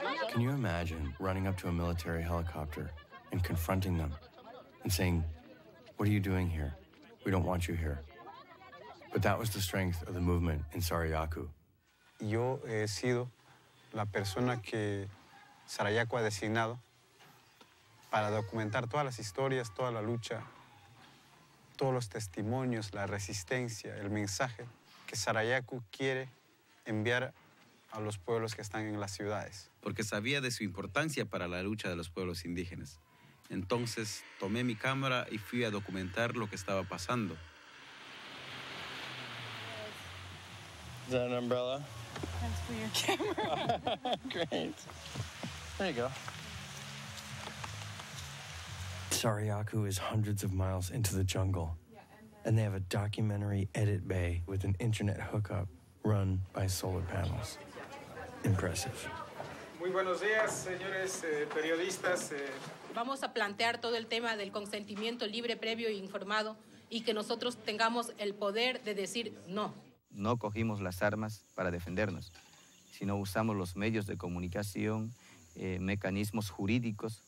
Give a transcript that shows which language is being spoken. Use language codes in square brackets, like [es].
[en] Can you imagine running up to a military helicopter and confronting them and saying, what are you doing here? We don't want you here. But that was the strength of the movement in Sarayaku. [es] Yo he sido la persona que Sarayaku ha designado para documentar todas las historias, toda la lucha, todos los testimonios, la resistencia, el mensaje que Sarayaku quiere enviar a los pueblos que están en las ciudades. Porque sabía de su importancia para la lucha de los pueblos indígenas. Entonces, tomé mi cámara y fui a documentar lo que estaba pasando. [en] Is that an umbrella? That's for your camera. Great. There you go. Sarayaku is hundreds of miles into the jungle. And they have a documentary edit bay with an internet hookup run by solar panels. Impressive. [es] Muy buenos días, señores periodistas. Vamos a plantear todo el tema del consentimiento libre, previo e informado, y que nosotros tengamos el poder de decir no. No cogimos las armas para defendernos, sino usamos los medios de comunicación, mecanismos jurídicos.